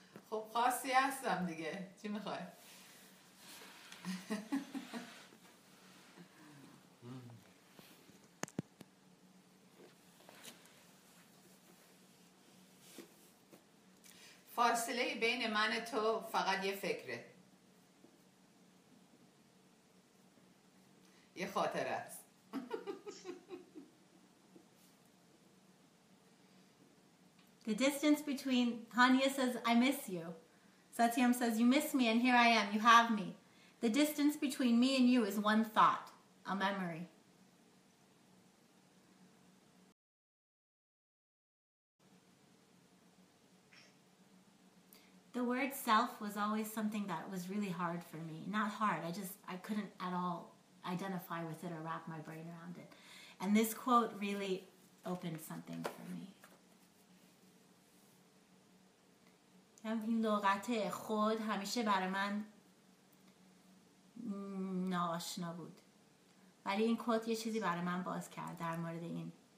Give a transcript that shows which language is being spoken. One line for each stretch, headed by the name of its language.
Persian: خب خاصی هستم دیگه، چی میخوای؟ فاصله بین من تو فقط یه فکره، یه خاطره است.
English: The distance between Hania says I miss you, Satyam says you miss me and here I am, you have me. The distance between me and you is one thought, a memory. The word self was always something that was really hard for me. Not hard, I couldn't at all identify with it or wrap my brain around it. And this quote really opened something for me.
Persian: این لغت خود همیشه برای من ناآشنا بود. ولی این کوت یه چیزی برای من باز کرد در مورد این.